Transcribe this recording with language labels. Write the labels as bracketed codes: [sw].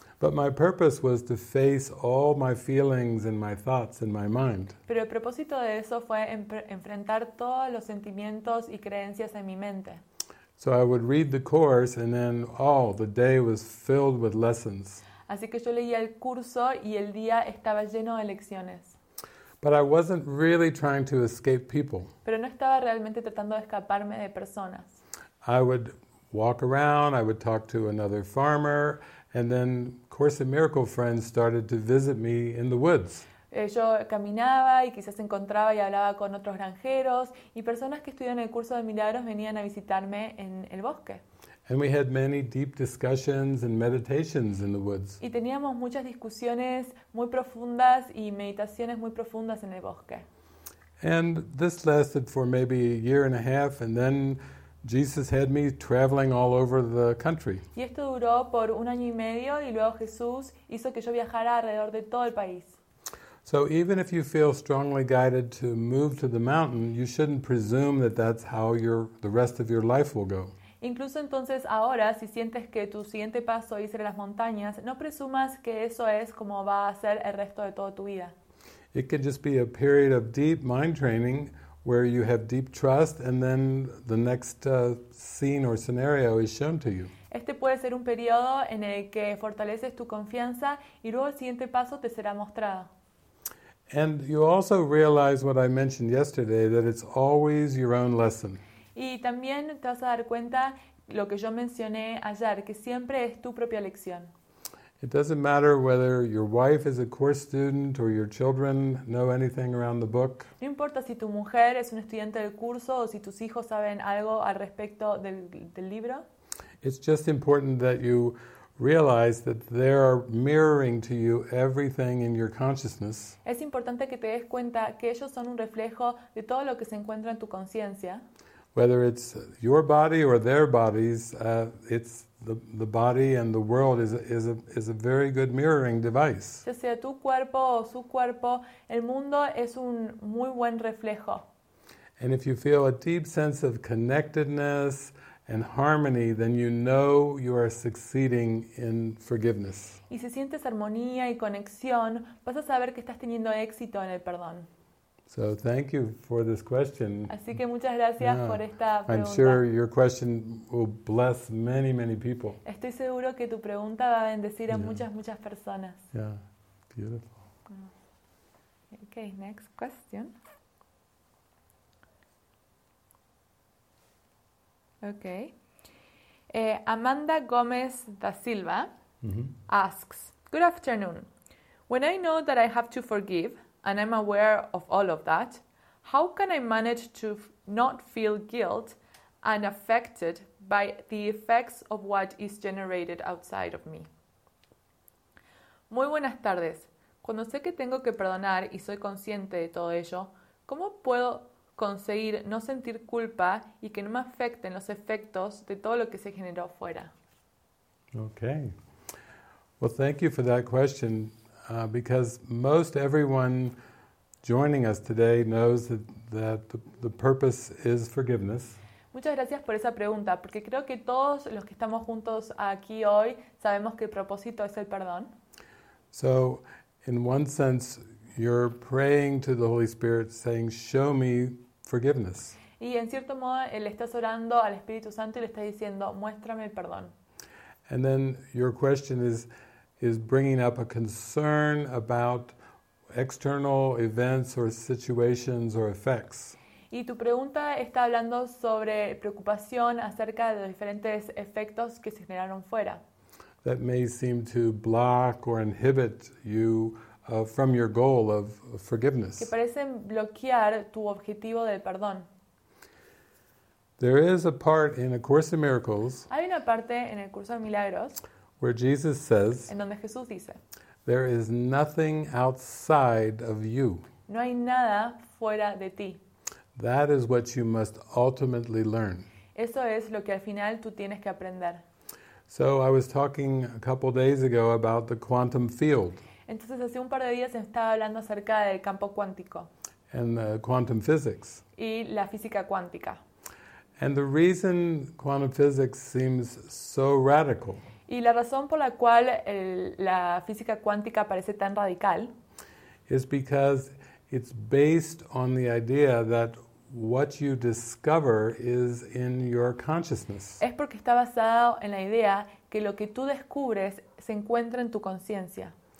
[en] But my purpose was to face all my feelings and my thoughts and my mind. [es] Pero el propósito de eso fue enfrentar todos los sentimientos y creencias en mi mente. [en] So I would read the course and then the day was filled with lessons. [es] Así que yo leía el curso y el día estaba lleno de lecciones. [en] But I wasn't really trying to escape people. [es] Pero no estaba realmente tratando de escaparme de personas. [en] I would walk around, I would talk to another farmer, and then Course in Miracle friends started to visit me in the woods. [es] Yo caminaba y quizás encontraba y hablaba con otros granjeros y personas que estudian el curso de milagros venían a visitarme en el bosque. [en] And we had many deep discussions and meditations in the woods. [es] Y teníamos muchas discusiones muy profundas y meditaciones muy profundas en el bosque. [en] And this lasted for maybe a year and a half, and then Jesus had me traveling all over the country. [es] Y esto duró por un año y medio y luego Jesús hizo que yo viajara alrededor de todo el país. [en] So even if you feel strongly guided to move to the mountain, you shouldn't presume that that's how the rest of your life will go. [es] Incluso entonces ahora, si sientes que tu siguiente paso es ir a las montañas, no presumas que eso es como va a ser el resto de toda tu vida. [en] It can just be a period of deep mind training where you have deep trust and then the next scene or scenario is shown to you. [es] Este puede ser un periodo en el que fortaleces tu confianza y luego el siguiente paso te será mostrado. [en] And you also realize what I mentioned yesterday, that it's always your own lesson. [es] Y también te vas a dar cuenta lo que yo mencioné ayer, que siempre es tu propia lección. [en] It doesn't matter whether your wife is a course student or your children know anything around the book. [es] No importa si tu mujer es un estudiante del curso o si tus hijos saben algo al respecto del libro. [en] It's just important that you realize that they are mirroring to you everything in your consciousness. [es] Es importante que te des cuenta que ellos son un reflejo de todo lo que se encuentra en tu conciencia. [en] Whether it's your body or their bodies, it's the body and the world is a very good mirroring device. [es] Ya sea tu cuerpo o su cuerpo, el mundo es un muy buen reflejo. [en] And if you feel a deep sense of connectedness and harmony, then you know you are succeeding in forgiveness. [es] Y si sientes armonía y conexión, vas a saber que estás teniendo éxito en el perdón. [en] So thank you for this question. [es] Así que muchas gracias por esta pregunta. [en] I'm sure your question will bless many, many people. [es] Estoy seguro que tu pregunta va a bendecir a muchas, muchas personas. [en] Yeah, beautiful. Okay, next question. Okay. Amanda Gomez da Silva asks, good afternoon. When I know that I have to forgive, and I'm aware of all of that, how can I manage to not feel guilt and affected by the effects of what is generated outside of me? [es] Muy buenas tardes. Cuando sé que tengo que perdonar y soy consciente de todo ello, ¿cómo puedo conseguir no sentir culpa y que no me afecten los efectos de todo lo que se generó fuera? [en] Okay. Well, thank you for that question. Because most everyone joining us today knows that the purpose is forgiveness. [es] Muchas gracias por esa pregunta, porque creo que todos los que estamos juntos aquí hoy sabemos que el propósito es el perdón. [en] So, in one sense, you're praying to the Holy Spirit saying, show me forgiveness. [es] Y en cierto modo, él está orando al Espíritu Santo y le está diciendo, muéstrame el perdón. [en] And then your question is bringing up a concern about external events or situations or effects. [es] Y tu pregunta está hablando sobre preocupación acerca de los diferentes efectos que se generaron fuera. [en] That may seem to block or inhibit you from your goal of forgiveness. [es] Que parecen bloquear tu objetivo del perdón. [en] There is a part in A Course in Miracles. [es] Hay una parte en el curso de milagros. [en] Where Jesus says, [es] en donde Jesús dice, [en] there is nothing outside of you. [es] No hay nada fuera de ti. [en] That is what you must ultimately learn. [es] Eso es lo que al final tú tienes que aprender. [en] So I was talking a couple days ago about the quantum field. [es] Entonces hace un par de días estaba hablando acerca del campo cuántico. [en] And the quantum physics. [es] Y la física cuántica. [en] And the reason quantum physics seems so radical. [es] Y la razón por la cual la física cuántica parece tan radical [en] is because it's based on the idea that what you discover is in your consciousness. [es] Es porque está basado en la idea que lo que tú descubres se encuentra en tu conciencia.